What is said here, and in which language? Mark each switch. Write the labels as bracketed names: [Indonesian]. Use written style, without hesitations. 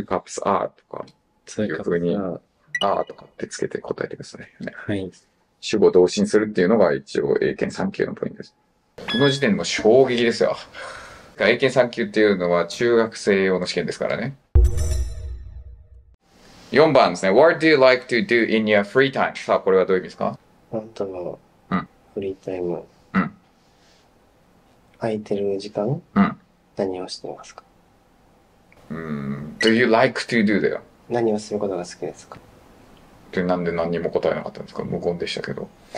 [Japanese] 2カップ are とか、 2カップ are とかってつけて答えてください、ね。はい。主語同士にするっていうのが一応英検3級のポイントです。この時点でも衝撃ですよ。英検3級っていうのは中学生用の試験ですからね。 4番ですね。 [English] What do you like to do in your free time? [Japanese] さあ、これはどういう意味ですか？あんたが、うん。フリータイム。うん。空いてる時間？うん。何をしてますか？ [English] Do you like to do [Japanese] だよ。何をすることが好きですか？で、なんで何にも答えなかったんですか？無言でしたけど。